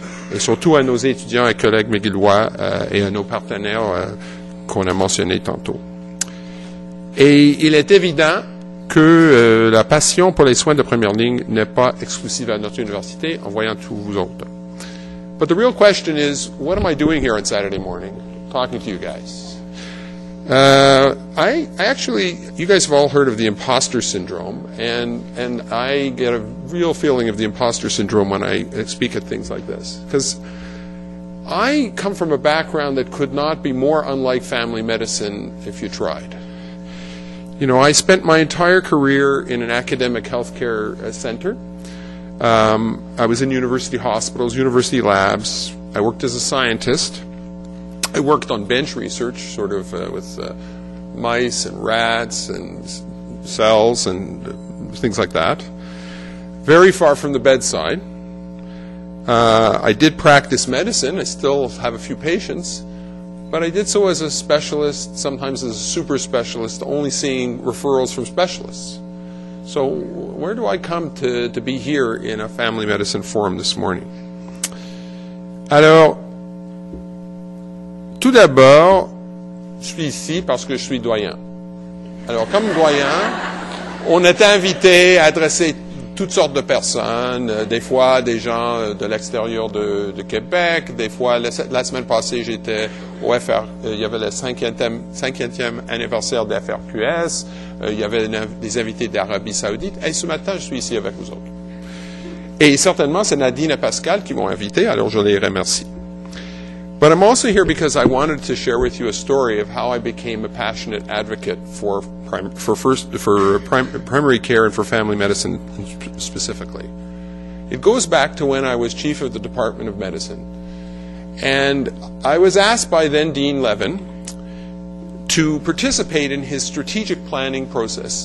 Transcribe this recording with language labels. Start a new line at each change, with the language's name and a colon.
French: Et surtout à nos étudiants et collègues McGillois et à nos partenaires qu'on a mentionnés tantôt. Et il est évident que la passion pour les soins de première ligne n'est pas exclusive à notre université, en voyant tous vous autres.
English: But the real question is, what am I doing here on Saturday morning, talking to you guys? I actually, you guys have all heard of the imposter syndrome, and I get a real feeling of the imposter syndrome when I speak at things like this, because I come from a background that could not be more unlike family medicine if you tried. You know, I spent my entire career in an academic healthcare center. I was in university hospitals, university labs. I worked as a scientist. I worked on bench research, sort of with mice and rats and cells and things like that. Very far from the bedside. I did practice medicine. I still have a few patients. But I did so as a specialist, sometimes as a super specialist, only seeing referrals from specialists. So where do I come to be here in a family medicine forum this morning?
French: Alors, tout d'abord, je suis ici parce que je suis doyen. Alors, comme doyen, on est invité à adresser toutes sortes de personnes, des fois des gens de l'extérieur de Québec, des fois, la semaine passée, j'étais au FR, il y avait le 50e anniversaire de FRQS, il y avait des invités d'Arabie Saoudite, et ce matin, je suis ici avec vous autres. Et certainement, c'est Nadine et Pascal qui m'ont invité, alors je les remercie.
English: But I'm also here because I wanted to share with you a story of how I became a passionate advocate for primary care and for family medicine specifically. It goes back to when I was chief of the Department of Medicine. And I was asked by then Dean Levin to participate in his strategic planning process.